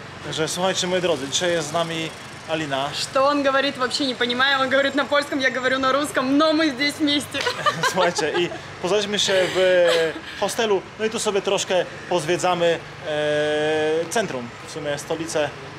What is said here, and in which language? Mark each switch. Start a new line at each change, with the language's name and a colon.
Polish: Że słuchajcie, moi drodzy, dzisiaj jest z nami Alina.
Russian: Что он говорит, вообще не понимаю. Он говорит на польском, я говорю на русском, но мы здесь вместе.
Polish: Słuchajcie, i poznaliśmy się w hostelu, no i tu sobie troszkę pozwiedzamy centrum, w sumie stolicę.